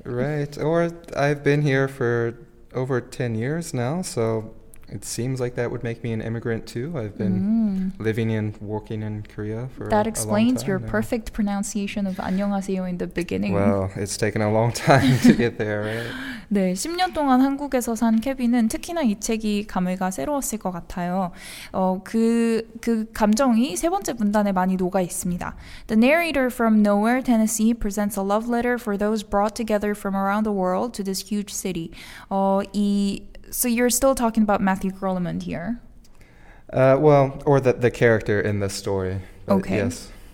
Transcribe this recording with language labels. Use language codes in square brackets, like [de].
[en] Right, or I've been here for over 10 years now, so it seems like that would make me an immigrant too. I've been living and working in Korea for a long time. That explains your perfect pronunciation of [ko] 안녕하세요 [en] in the beginning. Well, it's taken a long time to get there, right? [ko] 네, 10년 동안 한국에서 산 케빈은 특히나 이 책이 감회가 새로웠을 것 같아요. 그 감정이 세 번째 문단에 많이 녹아 있습니다. [en] The narrator from nowhere, Tennessee presents a love letter for those brought together from around the world to this huge city. So you're still talking about Matthew Groenemund here? Well, or the character in the story. Okay. Yes.